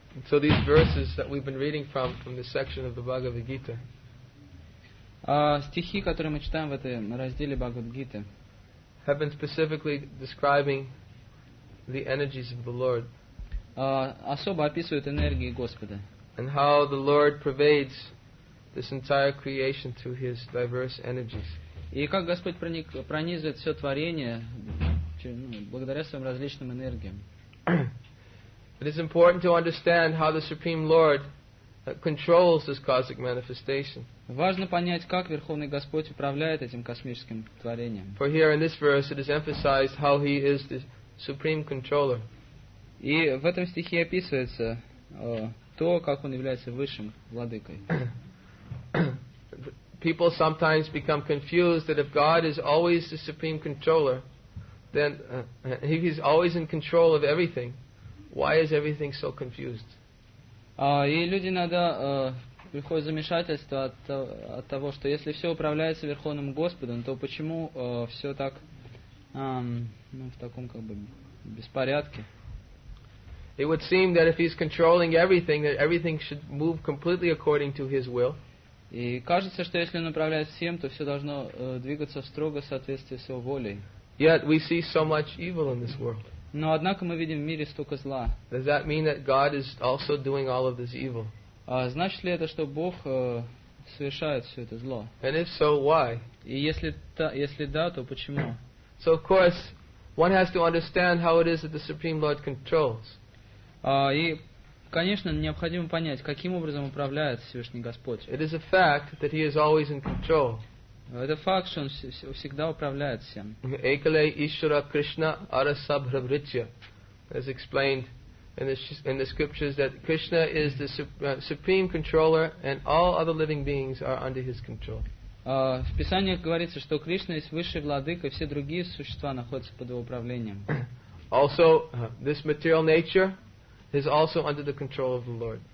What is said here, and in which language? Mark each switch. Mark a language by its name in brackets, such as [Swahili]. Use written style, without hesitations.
[English] So these verses that we've been reading from this section of the Bhagavad Gita. [Russian] Стихи, которые мы читаем в этом разделе Бхагавад Гиты, [English] have been specifically describing the energies of the Lord. [Russian] Особо описывают энергии Господа. [English] And how the Lord pervades this entire creation through His diverse energies. [Russian] И как Господь пронизывает все творение благодаря своим различным энергиям. [English] It is important to understand how the Supreme Lord controls this cosmic manifestation. [Russian] Важно понять, как Верховный Господь управляет этим космическим творением. [English] For here in this verse it is emphasized how He is the supreme controller. [Russian] И в этом стихе описывается то, как Он является высшим владыкой. [English] People sometimes become confused that if God is always the supreme controller, then if He's always in control of everything, why is everything so confused? [Russian] И люди иногда приходят в замешательство от того, что если все управляется Верховным Господом, то почему все так в таком как бы беспорядке? [English] It would seem that if He's controlling everything, that everything should move completely according to His will. [Russian] И кажется, что если Он управляет всем, то все должно двигаться строго в соответствии с Его волей. [English] Yet we see so much evil in this world. [Russian] Но однако мы видим в мире столько зла. [English] Does that mean that God is also doing all of this evil? [Russian] Значит ли это, что Бог совершает все это зло? [English] And if so, why? [Russian] И если да, то почему? [English] So of course, one has to understand how it is that the Supreme Lord controls. [Russian] И, конечно, необходимо понять, каким образом управляет Всевышний Господь. [English] It is a fact that He is always in control. [Russian] Это факт, что Он всегда управляет всем. [Sanskrit] Экале Ишвара Кришна Арасабхра Вриджа. [English] As explained in the scriptures that Krishna is the supreme controller and all other living beings are under His control. [Russian] В Писаниях говорится, что Кришна есть высший владыка, и все другие существа находятся под Его управлением. [English] Also, this material nature is also under the control of the Lord.